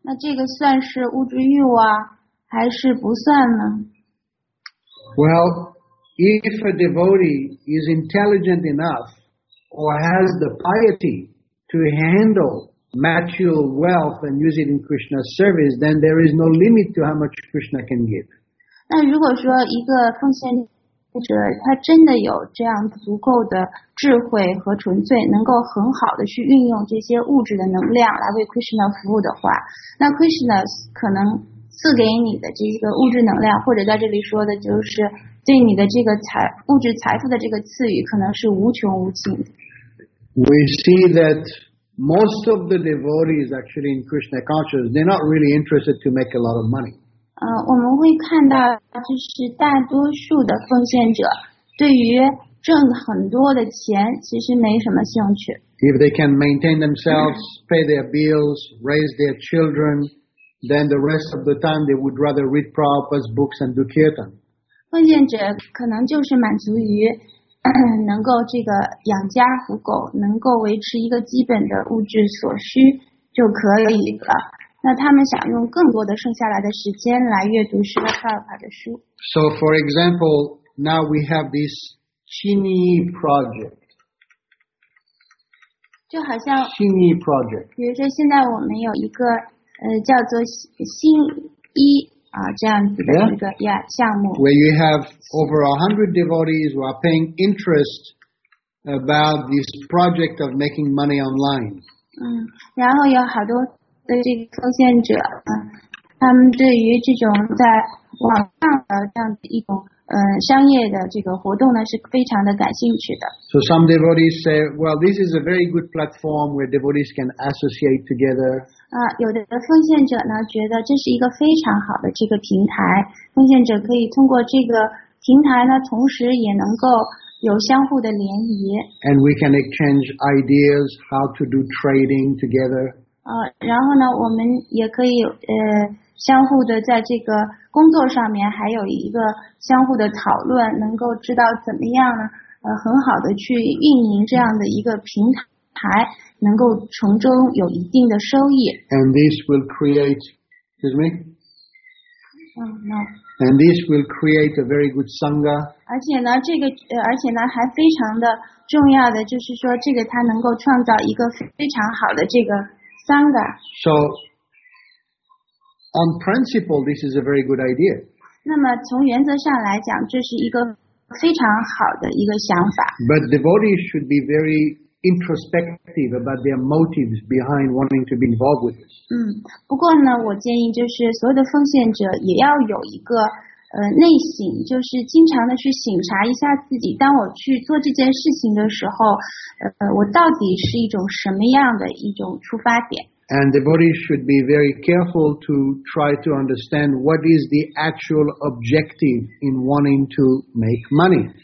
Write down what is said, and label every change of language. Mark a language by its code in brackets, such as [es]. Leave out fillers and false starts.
[zh] 那这个算是物质欲望还是不算呢？ [en] Well, if a devotee is intelligent enough or has the piety to handle material wealth and use it in Krishna's service, then there is no limit to how much Krishna can give. [zh] 那如果说一个奉献者他真的有这样足够的智慧和纯粹，能够很好的去运用这些物质的能量来为 Krishna 服务的话，那 Krishna 可能赐给你的这个物质能量，或者在这里说的就是对你的这个物质财富的这个赐予，可能是无穷无尽的。 [en] We see that most of the devotees actually in Krishna consciousness, they're not really interested to make a lot of money. [zh] 我们会看到，就是大多数的奉献者对于挣很多的钱其实没什么兴趣。 [en] If they can maintain themselves, pay their bills, raise their children, then the rest of the time they would rather read Prabhupada's books and do kirtan. [zh] 奉献者可能就是满足于能够这个养家糊口，能够维持一个基本的物质所需就可以了。那他们想用更多的剩下来的时间来阅读《Srila Prabhupada》的书。 [en] So, for example, now we have this Chini project. [zh] 就好像 [en] Chini project. [zh] 比如说，现在我们有一个叫做新一啊这样子的一个 yeah, 项目。 [en] Where you have over 100 devotees who are paying interest about this project of making money online. [zh] 然后有好多。对这个奉献者，他们对于这种在网上的这样一种商业的这个活动呢，是非常的感兴趣的。 [en] So some devotees say, well, this is a very good platform where devotees can associate together. [zh] 有的奉献者呢，觉得这是一个非常好的这个平台，奉献者可以通过这个平台呢，同时也能够有相互的联谊。 [en] And we can exchange ideas how to do trading together. [zh] 然后呢，我们也可以相互的在这个工作上面还有一个相互的讨论，能够知道怎么样呢？很好的去运营这样的一个平台，能够从中有一定的收益。 [en] And this will create, excuse me. No. And this will create a very good sangha. [zh] 而且呢，这个而且呢还非常的重要的就是说，这个它能够创造一个非常好的这个。 [en] So, on principle, this is a very good idea. [zh] 那么从原则上来讲，这是一个非常好的一个想法。 [en] But devotees should be very introspective about their motives behind wanting to be involved with this. [zh] 不过呢，我建议就是所有的奉献者也要有一个内省，就是经常的去省察一下自己，当我去做这件事情的时候，我到底是一种什么样的一种出发点。 [en] And the body should be very careful to try to understand what is the actual objective in wanting to make money.